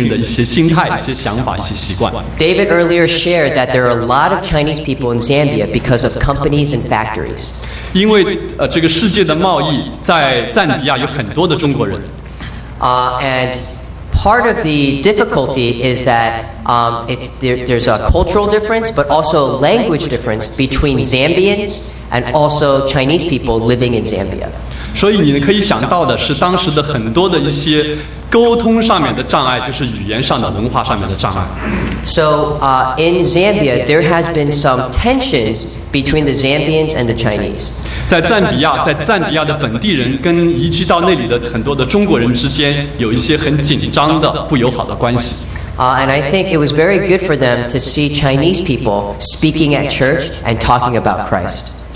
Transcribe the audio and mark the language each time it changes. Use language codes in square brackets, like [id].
[zh] 所以另外一件事情是我们有意想到的，就是我们当时所做的一件事情，也让当时当地的很多年轻人看到了他们所没有想到的，我们中国文化下面的一些年轻人的一些心态、一些想法、一些习惯。David [en] earlier shared that there are a lot of Chinese people in Zambia because of companies and factories. [zh] 因为这个世界的贸易，在赞比亚有很多的中国人。 [en] And part of the difficulty is that there's a cultural difference, but also a language difference between Zambians and also Chinese people living in Zambia. [zh] 所以你可以想到的是当时的很多的一些沟通上面的障碍，就是语言上的、文化上面的障碍。 [en] So in Zambia, there has been some tensions between the Zambians and the Chinese. [zh] 在赞比亚的本地人跟移居到那里的很多的中国人之间有一些很紧张的、不友好的关系。 [en] And I think it was very good for them to see Chinese people speaking at church and talking about Christ.